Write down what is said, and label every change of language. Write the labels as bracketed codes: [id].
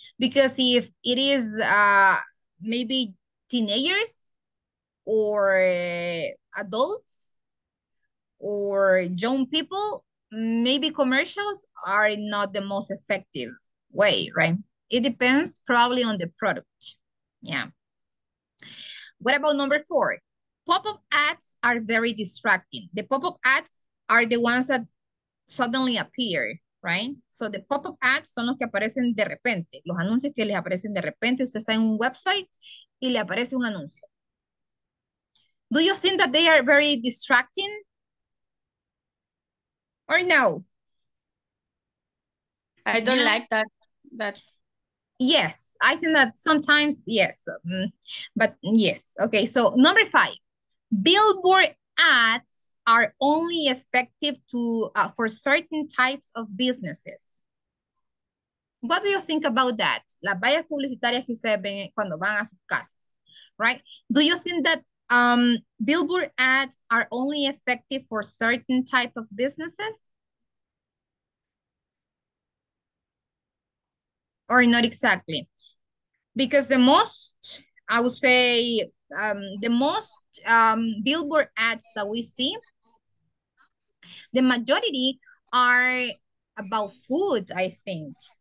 [en] Because if it is maybe teenagers or adults or young people, maybe commercials are not the most effective way, right? It depends probably on the product. Yeah. What about number four? Pop-up ads are very distracting. The pop-up ads are the ones that suddenly appear, right? So the pop-up ads [es] son los que aparecen de repente. Los anuncios que les aparecen de repente. Usted está en un website y le aparece un anuncio. [en] Do you think that they are very distracting? Or no? I don't like that. Yes, I think that sometimes, yes, but yes. Okay, so number five, billboard ads are only effective for certain types of businesses. What do you think about that? [es] Las vallas publicitarias que se ven cuando van a sus casas, right? [en] Do you think that billboard ads are only effective for certain type of businesses? Or not exactly, because the most billboard ads that we see, the majority are about food, I think.